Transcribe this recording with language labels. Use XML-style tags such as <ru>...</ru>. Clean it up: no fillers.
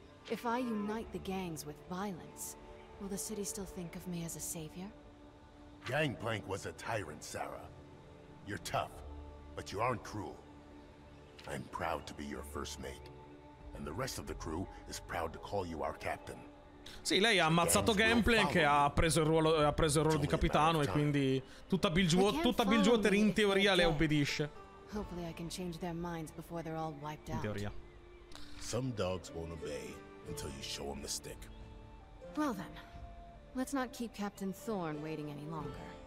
<en>If I unite the gangs with violence, will the city still think of me as a savior? Gangplank was a tyrant, Sarah. You're tough, but you aren't cruel. I'm proud to be your first mate, and the rest of the crew is proud to call you our captain.</en> <it>Sì, lei ha ammazzato Gangplank, che ha preso il ruolo di capitano, e quindi tutta Bilgewater in teoria le obbedisce.</it> <en>Hopefully I can change their minds before they're all wiped out.</en> <it>In teoria.</it> <en>Some dogs won't obey until you show them the stick. Well then, let's not keep Captain Thorn waiting any longer.</en>